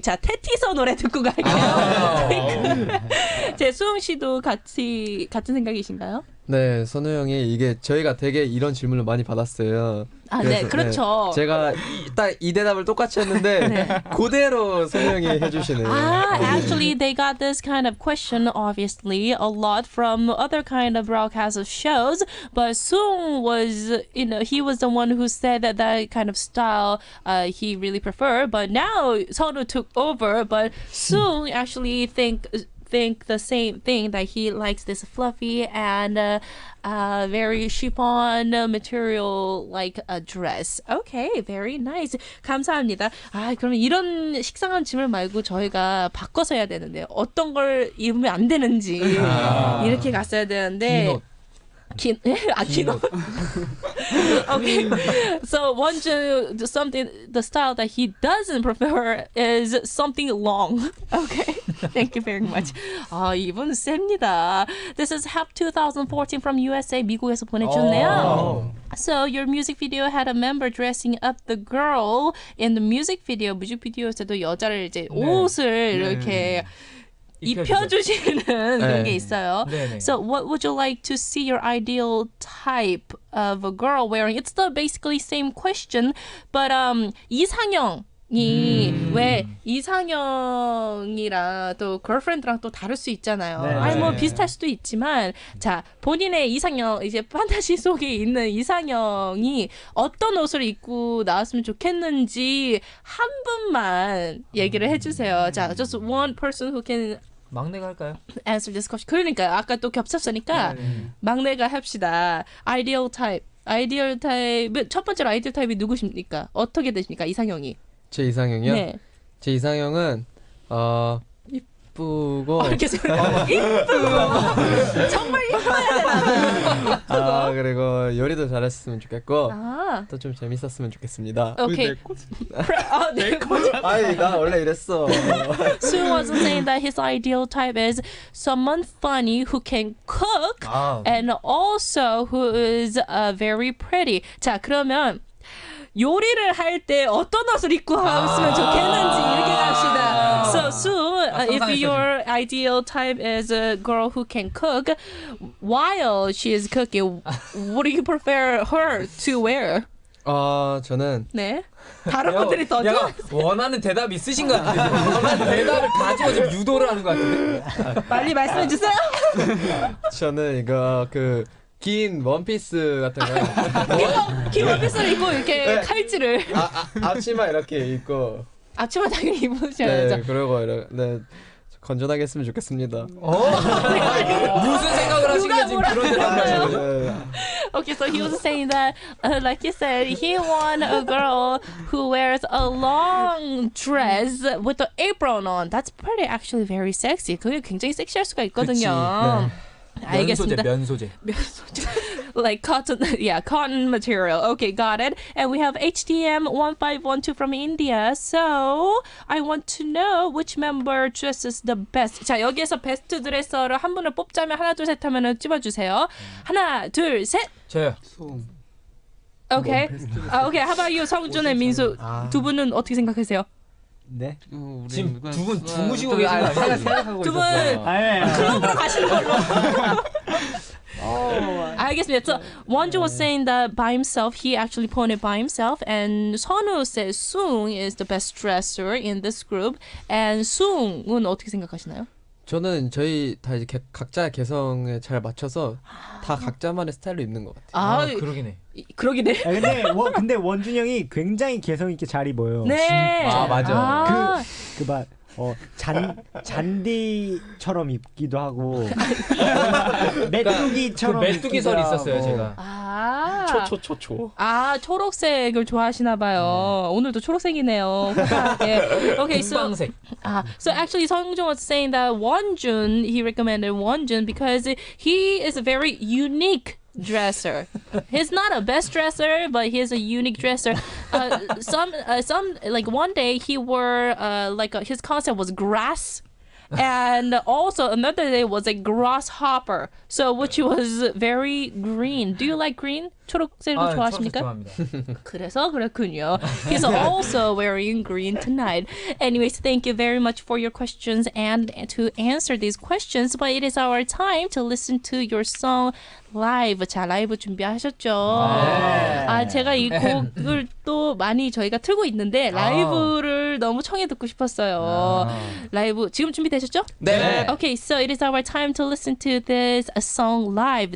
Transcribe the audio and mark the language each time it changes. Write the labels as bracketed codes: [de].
[ko] 자, 테티서 노래 듣고 갈게요. 제 수웅 씨도 같은 생각이신가요? 네, 선우 형이 이게 저희가 되게 이런 질문을 많이 받았어요. 아, 그래서, 네, 그렇죠. 네, 제가 딱 이 대답을 똑같이 했는데 네. 그대로 선영이 해주시네요. [en] 아, actually they got this kind of question obviously a lot from other kind of broadcast shows, but Soong was, you know, he was the one who said that that kind of style he really preferred, but now Sonu took over, but Soong actually think the same thing that he likes this fluffy and very chiffon material like a dress. Okay, very nice. [ko] 감사합니다. 아, 그러면 이런 식상한 질문 말고 저희가 바꿔서 해야 되는데 어떤 걸 입으면 안 되는지 이렇게 갔어야 되는데 긴 옷. [en] Okay. So the style that he doesn't prefer is something long. Okay. Thank you very much. [ko] 아, 이분 셉니다. [en] This is HAP 2014 from USA. [ko] 미국에서 보내주셨네요. [en] So your music video had a member dressing up the girl in the music video. [ko] 뮤직비디오에서도 여자를 이제 네. 옷을 네. 이렇게 입혀주시는 그런 게 있어요. 네. [en] So what would you like to see your ideal type of a girl wearing? It's the basically same question, but 이상형. [ko] 이 왜 이상형이랑 또 girlfriend랑 또 다를 수 있잖아요. 네. 아니 뭐 비슷할 수도 있지만 자 본인의 이상형 이제 판타지 속에 있는 이상형이 어떤 옷을 입고 나왔으면 좋겠는지 한 분만 얘기를 해주세요. [en] 자 just one person who can [ko] 막내가 할까요? [en] answer this question. [ko] 그러니까 아까 또 겹쳤으니까 막내가 합시다. ideal type. ideal type 첫 번째로 ideal type이 누구십니까? 어떻게 되십니까 이상형이? 제 이상형이요? 네. 제 이상형은 이쁘고 이렇게 소리 이쁘고 정말 이뻐야 되는 아, 그리고 요리도 잘했으면 좋겠고 아. 또 좀 재밌었으면 좋겠습니다. 오케이. 내 코자. 아니 나 원래 이랬어. [en] Sue was saying that his ideal type is someone funny who can cook 아. and also who is very pretty. [ko] 자 그러면 요리를 할 때 어떤 옷을 입고 하면 아~ 좋겠는지 얘기 합시다. [en] 아~ So Sue, if your ideal type is a girl who can cook while she is cooking, what do you prefer her to wear? [ko] 저는 네. 다른 야, 분들이 더 좋아하세요. 원하는 대답 있으신 것 같은데. 원하는 대답을 가지고 지금 유도를 하는 것 같은데. 빨리 말씀해 주세요. 저는 이거 그 긴 원피스 같은 거. 긴 원피스를 입고 이렇게 네. 칼질을. 앞치마 이렇게 입고. 앞치마 당연히 입으셔야죠. 네, 그리고 이렇게, 네. 건전하게 했으면 좋겠습니다. 무슨 생각을 하신 게 지금 그런 대답을 하신 거죠? [en] Okay, so he was saying that, like you said, he want a girl who wears a long dress with an apron on. That's pretty, actually very sexy. [ko] 그게 굉장히 섹시할 수가 있거든요. 그치, 네. 면소재 [en] like cotton yeah cotton material okay got it and we have HDM 1512 from India so I want to know which member dresses the best [ko] 자 여기에서 베스트 드레서를 한 분을 뽑자면 하나 둘 셋 [en] 하면은 찍어주세요 하나 둘 셋 [ko] 저요 [en] okay okay how about you [ko] 성준의 민수 두 분은 어떻게 생각하세요? 네. 지금 두 분 주무시고 계시는 거 같아요. 두 분 클럽으로 가시는 걸로. 알겠습니다. [en] So, Wonju was saying that by himself, he actually pointed by himself. And Sonu says Sung is the best dresser in this group. [ko] And Sung은 어떻게 생각하시나요? 저는 저희 다 이제 각자 개성에 잘 맞춰서 다 각자만의 스타일로 입는 것 같아요. 아, 그러기네. 그러기네. 아, 근데 근데 원준 형이 굉장히 개성 있게 잘 입어요. 네. 아 맞아. 아. 그 봐. 잔디처럼 입기도 하고 메뚜기처럼 메뚜기설 있었어요 제가 초초초초 아 초록색을 좋아하시나 봐요 오늘도 초록색이네요 오케이 금방색 [en] so actually Song Jun was saying that Wonjun he recommended Wonjun because he is a very unique dresser he's not a best dresser but he's a unique dresser some like one day he wore his concept was grass and also another day was a grasshopper so which was very green do you like green [ko] 초록색을 좋아하십니까? 초록색 그래서 그렇군요. [en] He's also wearing green tonight. Anyways, thank you very much for your questions and to answer these questions. But it is our time to listen to your song live. [ko] 자, 라이브 준비하셨죠? 아, 제가 이 곡을 또 많이 저희가 틀고 있는데 라이브를 너무 청해 듣고 싶었어요. 라이브 지금 준비되셨죠? 네. [en] Okay, so it is our time to listen to this song live.